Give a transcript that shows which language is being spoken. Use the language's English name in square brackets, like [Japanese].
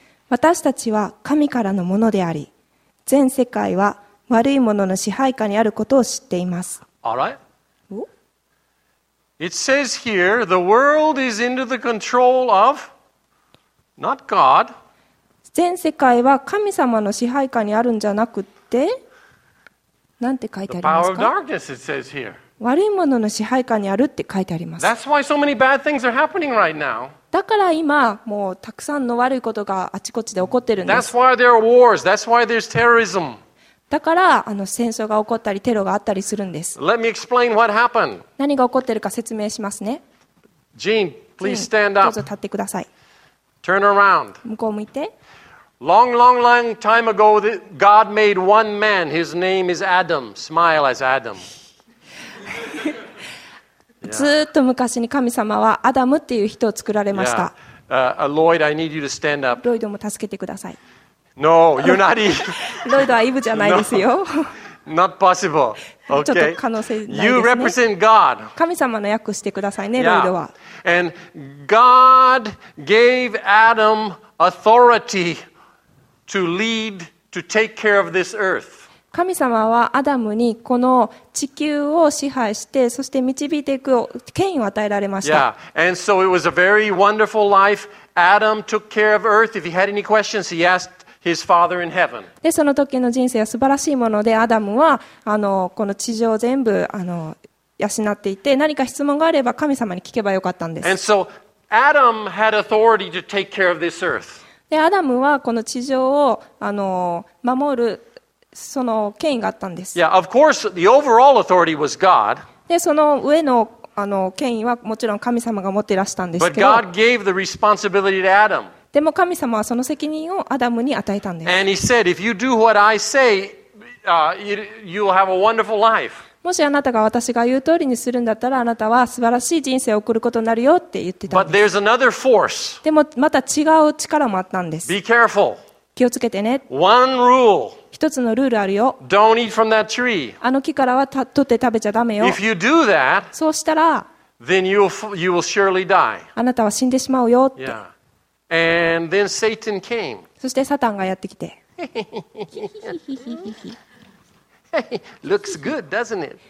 [Japanese] 私たちは神からのものであり、全世界は悪いものの支配下にあることを知っています。 [English] All right. It says here, the world is under the control ofNot God. [Japanese] 全世界は神様の支配下にあるんじゃなくて、なんて書いてありますか? [English] The power of darkness, it says here. [Japanese] 悪いものの支配下にあるって書いてあります。 [English] That's why so many bad things are happening right now. [Japanese] だから今もうたくさんの悪いことがあちこちで起こってるんです。 [English] That's why there are wars. That's why there's terrorism. [Japanese] だから戦争が起こったりテロがあったりするんです。 [English] Let me explain what happened. [Japanese] 何が起こってるか説明しますね。 [English] Jean, please stand up. [Japanese] どうぞ立ってください。 [English] Turn around. [Japanese] 向こう向いて。 [English] Long time ago, God made one man. His name is Adam. Smile as Adam. [Japanese] ずっと昔に神様はアダムっていう人を作られました。 [English] Lloyd, I need you to stand up. [Japanese] ロイドも助けてください。 [English] No, you're not Eve. [Japanese] ロイドはイブじゃないですよ。 [English] No, not possible. Okay. [Japanese] ちょっと可能性ないですね。 [English] You represent God. [Japanese] 神様の訳してくださいね、ロイドは。 [English] And God gave Adam authority to lead, to take care of this earth. [Japanese] 神様はアダムにこの地球を支配して、そして導いていく権威を与えられました。 [English] Yeah, and so it was a very wonderful life. Adam took care of Earth. If he had any questions, he asked his father in heaven. [Japanese] で、その時の人生は素晴らしいもので、アダムはこの地上を全部養っていて、何か質問があれば神様に聞けばよかったんです。 [English] And so Adam had authority to take care of this Earth. [Japanese] で、アダムはこの地上を守るその権威があったんです。 [English] Yeah, of course, the overall authority was God. [Japanese] で、その上の権威はもちろん神様が持っていらしたんですけど。 [English] But God gave the responsibility to Adam. [Japanese] でも神様はその責任をアダムに与えたんです。 [English] And he said, if you do what I say, you will have a wonderful life. [Japanese] もしあなたが私が言う通りにするんだったら、あなたは素晴らしい人生を送ることになるよって言ってたんです。 [English] But there's another force. [Japanese] でもまた違う力もあったんです。 [English] Be careful. [Japanese] 気をつけてね。 [English] One rule. [Japanese] 一つのルールあるよ。 [English] Don't eat from that tree. [Japanese] あの木からは取って食べちゃダメよ。 [English] If you do that, [Japanese] そうしたら、 [English] then you will surely die. [Japanese] あなたは死んでしまうよって。 [English] Yeah. And then Satan came. [Japanese] そしてサタンがやってきて。 [English] Hey, looks good, doesn't it?